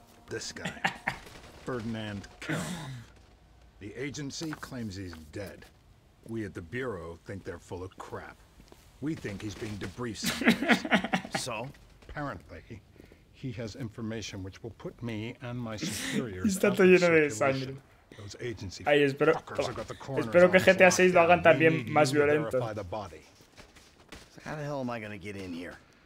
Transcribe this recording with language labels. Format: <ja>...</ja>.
<en>This guy. Ferdinand Karamov. The agency claims he's dead. We at the Bureau think they're full of crap. We think he's being debriefed someplace. So? Apparently, he has information which will put me and my superiors</en> <es>está</es> <en>out of circulation. Those agency</en> <es>espero que GTA 6 lo hagan también más violento.</es> <en>So how the hell am I gonna get in here?</en>